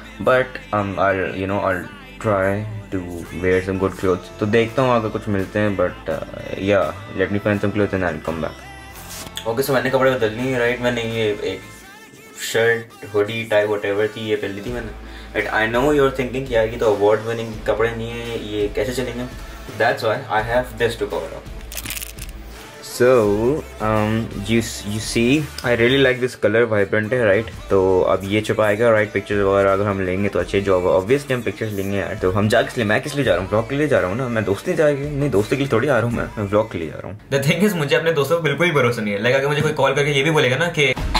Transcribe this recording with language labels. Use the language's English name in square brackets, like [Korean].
[English] but I you know I try to wear some good clothes, [Hindi] तो देखता हूँ अगर कुछ मिलते हैं। [English] But yeah let me find some clothes and I will come back. Okay, so [Hindi] मैंने कपड़े बदल लिए, राइट? मैंने ये एक [English] shirt hoodie tie whatever [Hindi] थी ये पहन ली थी मैंने। [English] but I know you are thinking [Hindi] यार ये तो अवार्ड विनिंग कपड़े नहीं है, ये कैसे चलेंगे? [English] That's why I have this to cover up. So, you see, I really like this color, vibrant [Hindi] है, [English] right? [Hindi] तो अब ये छुपाएगा, right? Pictures वगैरह अगर हम लेंगे तो अच्छे जॉब, [English] obviously [Hindi] हम pictures लेंगे यार। तो हम जा किस लिए, मैं किस लिए जा रहा हूँ? Vlog के लिए जा रहा हूँ ना, मैं दोस्त नहीं जाएगी, नहीं दोस्तों के लिए थोड़ी आ रहा हूँ मैं, vlog के लिए जा रहा हूँ। [English] The thing is [Hindi] मुझे अपने दोस्तों पर बिल्कुल ही भरोसा नहीं है। लाइक अगर मुझे कोई कॉल करके ये भी बोलेगा ना कि